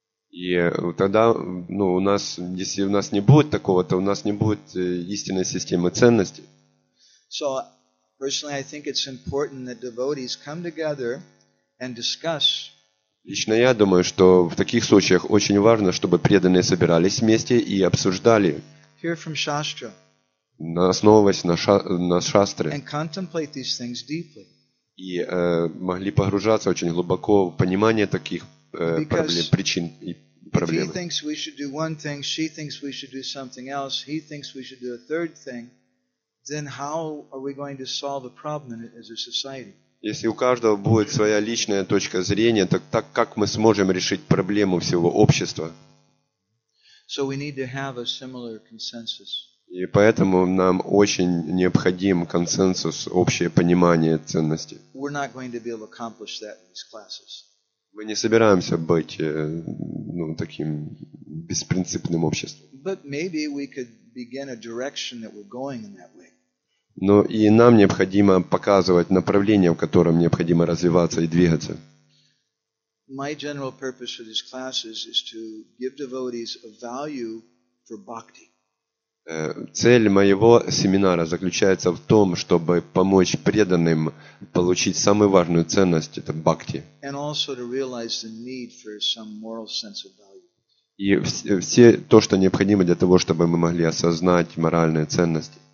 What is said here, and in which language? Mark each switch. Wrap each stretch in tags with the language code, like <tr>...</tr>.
<ru>И тогда, ну, у нас, если у нас не будет такого, то у нас не будет истинной системы ценностей.</ru> <en>So, personally, I think it's important that devotees come together and discuss.</en> <ru>Лично я думаю, что в таких случаях очень важно, чтобы преданные собирались вместе и обсуждали.</ru> <en>Hear from Shastra.</en> <ru>Основываясь на шастре.</ru> <en>And contemplate these things deeply.</en> <ru>И могли погружаться очень глубоко в понимание таких причин и проблем.</ru> <en>He thinks we should do one thing, she thinks we should do something else, he thinks we should do a third thing. Then how are we going to solve a problem as a society?</en> <ru>Если у каждого будет своя личная точка зрения, так как мы сможем решить проблему всего общества?</ru> <en>So we need to have a similar consensus.</en> <ru>И поэтому нам очень необходим консенсус, общее понимание ценностей.</ru> <en>We're not going to be able to accomplish that in these classes.</en> <ru>Мы не собираемся быть, ну, таким беспринципным обществом.</ru> <en>But maybe we could begin a direction that we're going in that way.</en> <ru>Но и нам необходимо показывать направление, в котором необходимо развиваться и двигаться.</ru> <en>My general purpose for these classes is to give devotees a value for bhakti.</en> <ru>Цель моего семинара заключается в том, чтобы помочь преданным получить самую важную ценность – это бхакти.</ru> <en>And also to realize the need for some moral sense of value.</en> <ru>И все то, что необходимо для того, чтобы мы могли осознать моральные ценности.</ru>